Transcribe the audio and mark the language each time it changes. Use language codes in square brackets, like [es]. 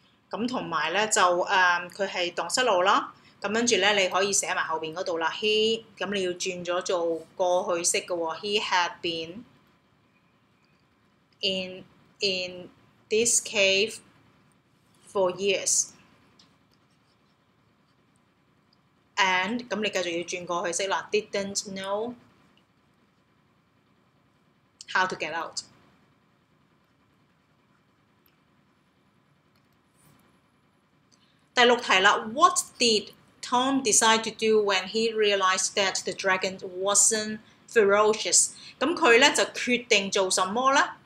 [yue] 咁同埋咧就佢係蕩失路啦。咁跟住咧你可以寫埋後邊嗰度啦。 He 咁你要轉咗做過去式嘅喎。 [en] He had been in this cave for years。 [yue] And 咁你繼續要轉過去式啦 ， [en] didn't know how to get out。 [yue] 第六題啦 [en] ，What did Tom decide to do when he realized that the dragon wasn't ferocious？ [yue] 咁佢咧就決定做什麼咧？